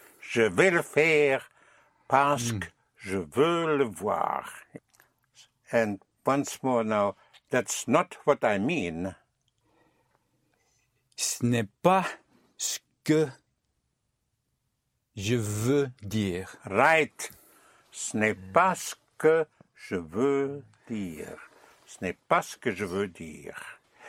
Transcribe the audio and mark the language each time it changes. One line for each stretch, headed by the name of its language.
French: Je vais le faire parce que je veux le voir.
English: And once more now, that's not what I mean.
French: Ce n'est pas ce que je veux dire.
English: Right.
French: Ce n'est pas ce que je veux dire. Ce n'est pas ce que je veux dire.